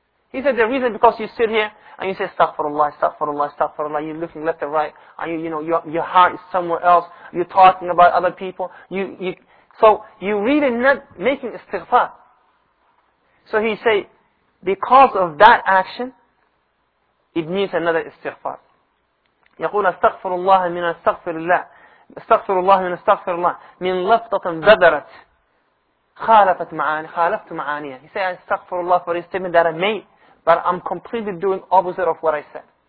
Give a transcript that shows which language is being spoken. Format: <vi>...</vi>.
<en>He said the reason, because you sit here and you say</en> <ar>استغفرالله استغفرالله استغفرالله,</ar> <en>you're looking left and right, and you know your heart is somewhere else, you're talking about other people, you're really not making استغفار. So he say, because of that action, it means another istighfar.</en> <ar>يقول استغفر الله من استغفر الله استغفر الله من استغفر الله من لفظة بدرت خالفت معاني خالفت معانيها.</ar> <en>He said استغفر الله for a statement that I made, but I'm completely doing opposite of what I said.</en>